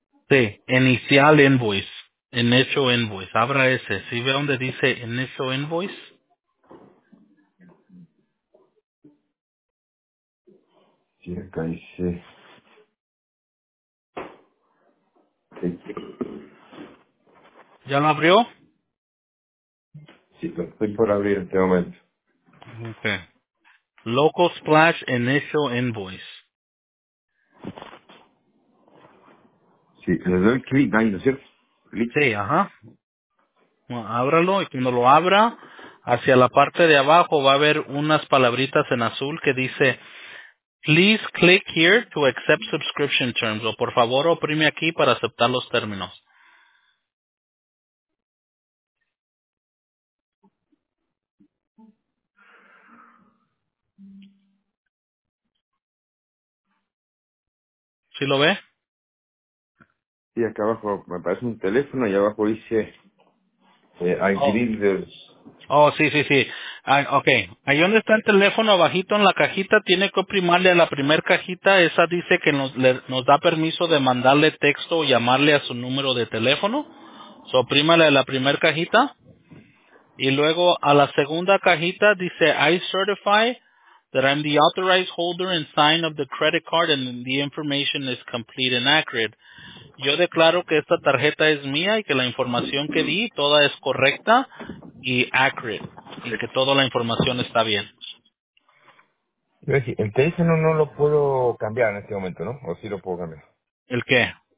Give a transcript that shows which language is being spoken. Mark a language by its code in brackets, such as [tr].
[es] Sí, inicial invoice, [en] initial invoice. [es] Abra ese, ¿sí ve donde dice [en] initial invoice? [es] Sí, acá dice. ¿Ya lo abrió? Sí, lo estoy por abrir en este momento. Ok. [en] Local Splash Initial Invoice. [es] Sí, le doy clic ahí, ¿no es cierto? Clic. Sí, ajá. Bueno, ábralo y cuando lo abra, hacia la parte de abajo va a haber unas palabritas en azul que dice [en] Please click here to accept subscription terms. [es] O por favor oprime aquí para aceptar los términos. ¿Sí lo ve? Sí, acá abajo me aparece un teléfono y abajo dice Agreed. Oh, sí. Okay. Ahí donde está el teléfono, abajito en la cajita, tiene que oprimarle a la primer cajita. Esa dice que nos da permiso de mandarle texto o llamarle a su número de teléfono. So, oprímale a la primer cajita. Y luego a la segunda cajita dice [en] I certify that I'm the authorized holder and sign of the credit card and the information is complete and accurate. [es] Yo declaro que esta tarjeta es mía y que la información que di toda es correcta y accurate. Y que toda la información está bien. El teléfono no lo puedo cambiar en este momento, ¿no? ¿O sí lo puedo cambiar? ¿El qué?